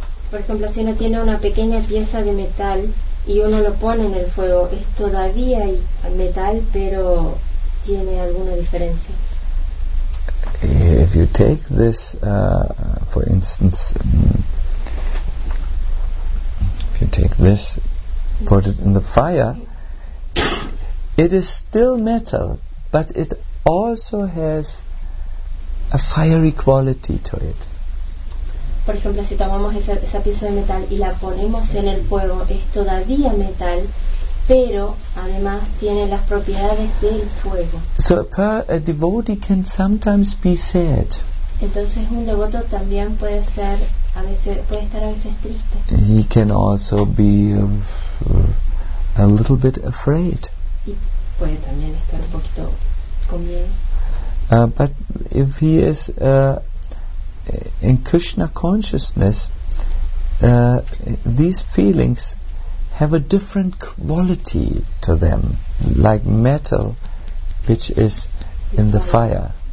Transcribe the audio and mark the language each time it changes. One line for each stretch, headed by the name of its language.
Spanish: Por ejemplo, si uno tiene una pequeña pieza de metal y uno lo pone en el fuego, es todavía metal, pero tiene alguna diferencia.
English: If you take this, for instance, if you take this, put it in the fire, it is still metal, but it also has a fiery quality to it.
Spanish: Por ejemplo, si tomamos esa pieza de metal y la ponemos en el fuego, es todavía metal, pero además tiene las propiedades del fuego.
English: So a devotee can sometimes be sad.
Spanish: Entonces un devoto también puede estar a veces triste.
English: He can also be a little bit afraid.
Spanish: puede también estar un poquito con miedo.
English: But if he is in Krishna consciousness, these feelings have a different quality to them, like metal which is in the fire.